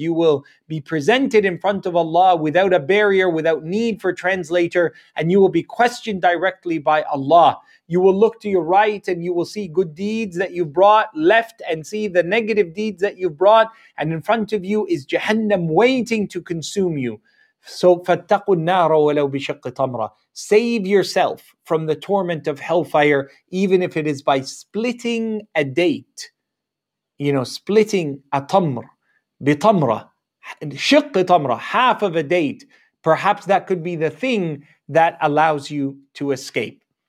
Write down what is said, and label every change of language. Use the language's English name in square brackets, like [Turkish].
[English] You will be presented in front of Allah without a barrier, without need for translator, and you will be questioned directly by Allah. You will look to your right and you will see good deeds that you've brought, left and see the negative deeds that you've brought, and in front of you is Jahannam waiting to consume you. So [Arabic] فاتقوا النار ولو بشق تمرة. [English] Save yourself from the torment of hellfire, even if it is by splitting a date. You know, splitting a tamr, bitamra, shiq tamra, half of a date. Perhaps that could be the thing that allows you to escape.